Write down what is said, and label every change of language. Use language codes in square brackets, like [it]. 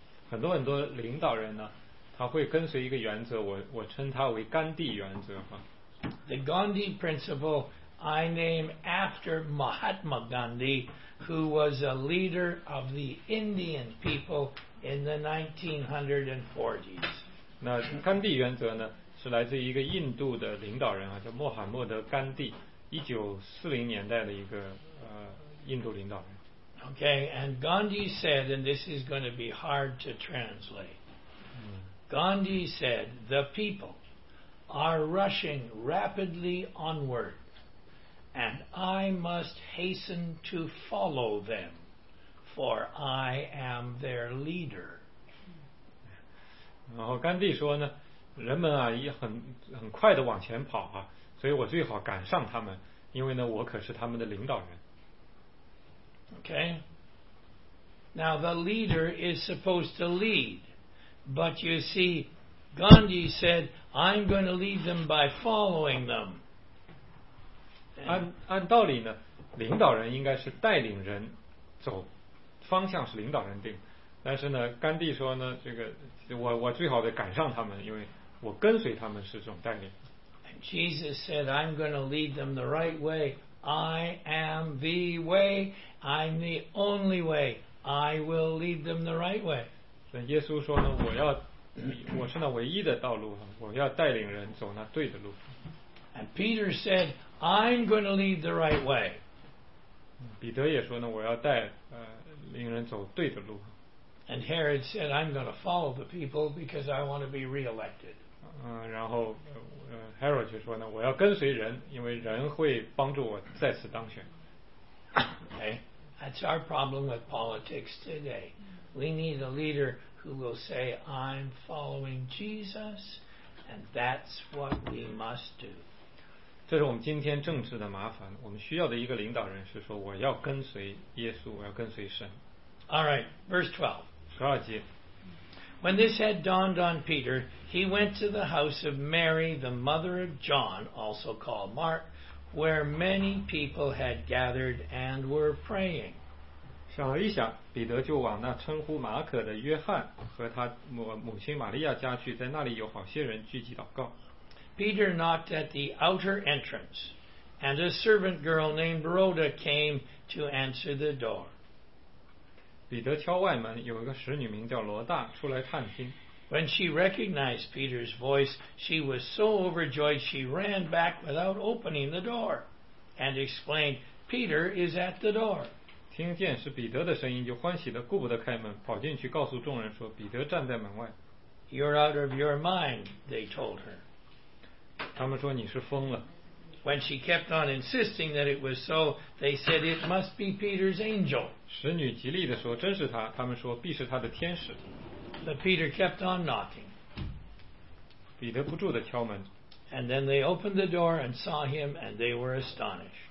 [zh] 很多很多领导人呢，他会跟随一个原则，我称它为甘地原则哈。 [en] The Gandhi principle I name after Mahatma Gandhi, who was a leader of the Indian people in the 1940s. [zh] 那甘地原则呢，是来自于一个印度的领导人啊，叫穆罕默德·甘地，1940年代的一个印度领导人。 [en] Okay, and Gandhi said, and this is going to be hard to translate. Gandhi said, the people are rushing rapidly onward, and I must hasten to follow them, for I am their leader. [zh] 然后甘地说呢，人们啊，也很快地往前跑啊，所以我最好赶上他们，因为呢我可是他们的领导人。 [en] Okay. Now the leader is supposed to lead, but you see Gandhi said I'm going to lead them by following them. [zh] 按道理呢，领导人应该是带领人走，方向是领导人定，但是呢甘地说呢，这个我最好得赶上他们，因为我跟随他们是这种带领。 [en] And Jesus said I'm going to lead them the right way. I am the way. I'm the only way. I will lead them the right way. [zh] 耶稣说呢，我是那唯一的道路，我要带领人走那对的路。 [en] And Peter said I'm going to lead the right way. [zh] 彼得也说呢，我要带领人走对的路。 [en] And Herod said, I'm going to follow the people because I want to be re-elected. [zh] 然后 Herod 就说呢，我要跟随人，因为人会帮助我再次当选。 [en] Okay. That's our problem with politics today. We need a leader who will say, I'm following Jesus, and that's what we must do. [zh] 这是我们今天政治的麻烦。我们需要的一个领导人是说，我要跟随耶稣，我要跟随神。 [en] Alright, verse 12. [zh] 十二节。 [en] When this had dawned on Peter, he went to the house of Mary, the mother of John, also called Mark, where many people had gathered and were praying. [zh] 想了一想，彼得就往那称呼马可的约翰和他母亲玛利亚家去，在那里有好些人聚集祷告。 [en] Peter knocked at the outer entrance, and a servant girl named Rhoda came to answer the door. [zh] 彼得敲外门，有一个使女名叫罗大出来探听。 [en] When she recognized Peter's voice, she was so overjoyed she ran back without opening the door, and explained, "Peter is at the door." [zh] 听见是彼得的声音，就欢喜的顾不得开门，跑进去告诉众人说，彼得站在门外。 [en] You're out of your mind, they told her. [zh] 他们说你是疯了。 [en] When she kept on insisting that it was so, they said it must be Peter's angel. [zh] 使女极力地说真是他，他们说必是他的天使。 [en] But Peter kept on knocking. [zh] 彼得不住地敲门。 [en] And then they opened the door and saw him and they were astonished.